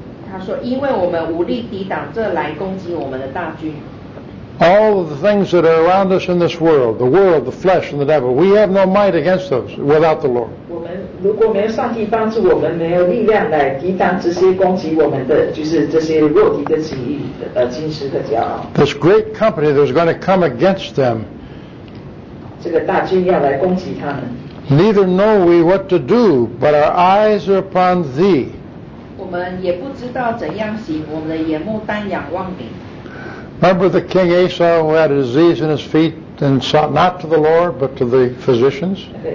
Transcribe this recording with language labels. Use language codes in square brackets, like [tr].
[zh] 他说，因为我们无力抵挡这来攻击我们的大军。 [en] All of the things that are around us in this world, the flesh and the devil, we have no might against those without the Lord. [zh] 我们如果没有上帝帮助我们，没有力量来抵挡这些攻击我们的，就是这些肉体的情欲、今世的骄傲。 [en] This great company that is going to come against them. [zh] 这个大军要来攻击他们。 [en] Neither know we what to do, but our eyes are upon thee. [zh] 我们也不知道怎样行，我们的眼目单仰望你。 [en] Remember the king Asa who had a disease in his feet and sought not to the Lord but to the physicians?